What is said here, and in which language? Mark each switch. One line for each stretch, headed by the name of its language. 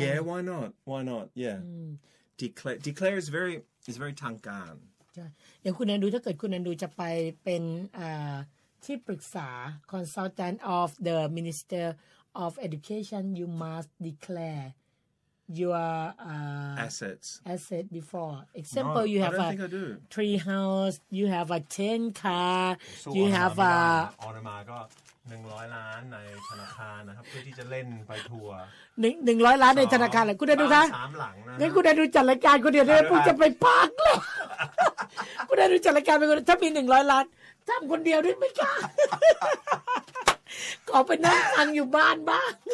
English: yeah why not why not yeah declare is very ทางการ
Thai: อย่างคุณแอนดูถ้าเกิดคุณแอนดูจะไปเป็นที่ปรึกษา
English: consultant of the minister of education you must declare your assets before example no, you have a tree house you have a 10 car so you have a onama
Thai: ก็100ล้านในธนาคารนะครับเพื่อที่จะเล่นไปทัวร์100ล้านในธนาคารเหรอคุณได้ดูซะ 3หลังนะ งั้นคุณได้ดูจัดรายการคนเดียวเลยผมจะไปพักเลยคุณได้ดูจัดรายการไปคนถ้ามี100ล้านทำคนเดียวด้วยไม่กล้าขอไปนั่งฟังอยู่บ้านบ้าง